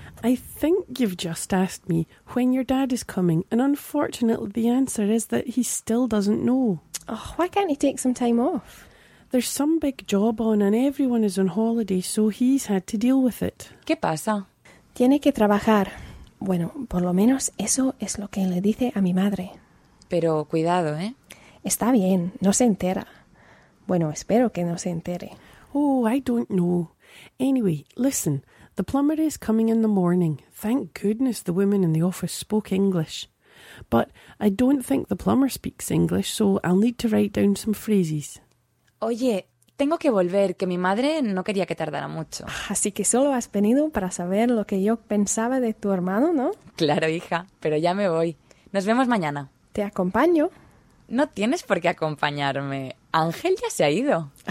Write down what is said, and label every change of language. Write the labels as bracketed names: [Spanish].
[English] I think you've just asked me when your dad is coming, and unfortunately the answer is that he still doesn't know. Oh, why can't he take some time off? There's some big job on and everyone is on holiday, so he's had to deal with it. [Spanish] ¿Qué pasa? Tiene que trabajar. Bueno, por lo menos eso es lo que le dice a mi madre. Pero cuidado, ¿eh? Está bien, no se entera. Bueno, espero que no se entere. [English] Oh, I don't know. Anyway, listen, the plumber is coming in the morning. Thank goodness the woman in the office spoke English. But I don't think the plumber speaks English, so I'll need to write down some phrases. [Spanish] Oye, tengo que volver, que mi madre no quería que tardara mucho. Así que solo has venido para saber lo que yo pensaba de tu hermano, ¿no? Claro, hija, pero ya me voy. Nos vemos mañana. Te acompaño. No tienes por qué acompañarme. Ángel ya se ha ido.